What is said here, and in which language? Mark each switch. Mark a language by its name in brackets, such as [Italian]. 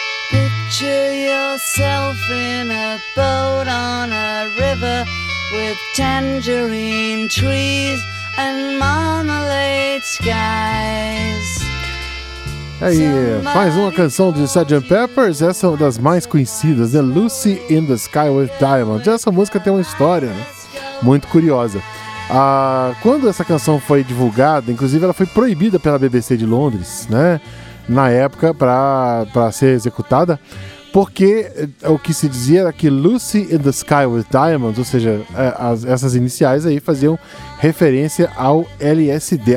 [English] Picture yourself in a boat on a river with tangerine trees and marmalade skies. [Portuguese] Aí, mais uma canção de Sgt. Pepper's, essa é uma das mais conhecidas, né? [English] Lucy in the Sky with Diamonds. [Portuguese] Essa música tem uma história, né? Muito curiosa. Ah, quando essa canção foi divulgada, inclusive ela foi proibida pela BBC de Londres, né? Na época, para ser executada, porque o que se dizia era que Lucy in the Sky with Diamonds, ou seja, essas iniciais aí faziam referência ao LSD.